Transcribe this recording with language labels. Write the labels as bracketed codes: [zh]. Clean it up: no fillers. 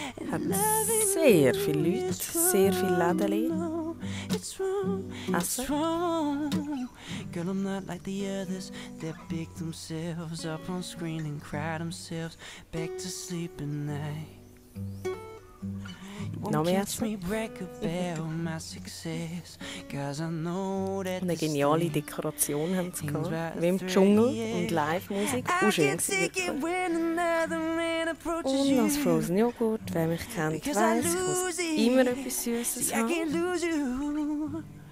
[de] Hat sehr viele Leute, sehr viele Läden. Essen. [en] Girl, I'm not like the others that pick themselves up on screen and cry themselves back to sleep at night. [de] Eine geniale Dekoration haben sie gehabt. Wie im Dschungel und Live-Musik. Auch schön gewesen. Und als Frozen Joghurt, wer mich kennt, weiss, ich muss immer etwas Süßes haben.